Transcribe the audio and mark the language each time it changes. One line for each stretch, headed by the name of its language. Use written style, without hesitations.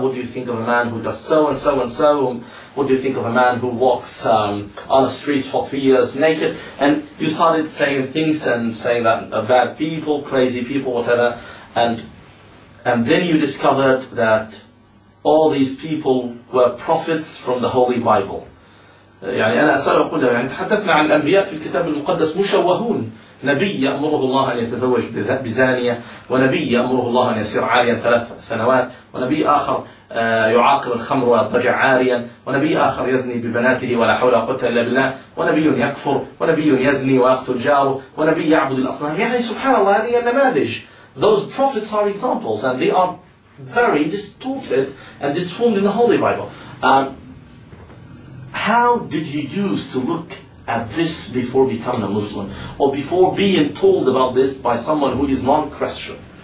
English: What do you think of a man who does so and so and so? What do you think of a man who walks on the streets for 3 years naked? And you started saying things and saying that bad people, crazy people, whatever. And then you discovered that all these people were prophets from the Holy Bible.
Arabic: يعني أنا أسأل أقول يعني تحدثنا عن الأنبياء في الكتاب المقدس مشوهون, نبي يأمره الله أن يتزوج بزانية, ونبي يأمره الله أن يصير عاريا 3 سنوات, ونبي آخر يعاقب الخمر ويضطجع عاريا, ونبي آخر يزني ببناته ولا حول ولا قوة إلا بالله, ونبي يكفر, ونبي يزني ويقتل جاره, ونبي يعبد الأصنام. يعني سبحان الله, هذه النماذج
English: those prophets are examples, and they are very distorted and disformed in the Holy Bible. How did you use to look at this before becoming a Muslim, or before being told about this by someone who is non-Christian?